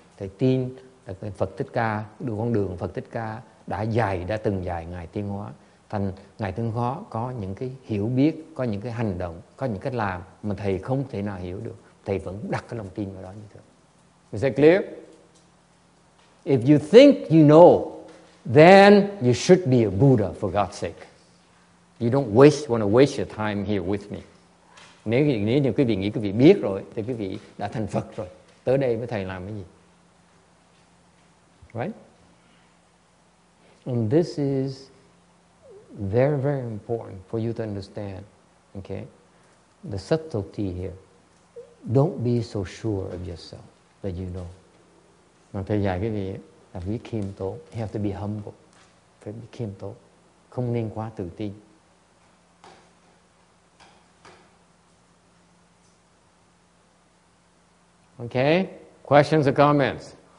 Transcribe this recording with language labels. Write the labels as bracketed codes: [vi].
[vi] Thầy tin là Phật Thích Ca, đường con đường Phật Thích Ca đã dạy, đã từng dạy Ngài Tiên Hóa. Thành Ngài Tiên Hóa có những cái hiểu biết, có những cái hành động, có những cái làm mà thầy không thể nào hiểu được. Thầy vẫn đặt cái lòng tin vào đó như thế. [en] Is that clear? If you think you know, then you should be a Buddha, for God's sake. You don't want to waste your time here with me. [vi] Nếu quý vị nghĩ quý vị biết rồi, thì quý vị đã thành Phật rồi. Tới đây với thầy làm cái gì? [en] Right? And this is very, very important for you to understand. Okay? The subtlety here. Don't be so sure of yourself that you know. [vi] Mà thầy dạy cái gì là phải khiêm tốn. [en] You have to be humble. [vi] Phải be khiêm tốn. Không nên quá tự tin. [en] Okay. Questions or comments?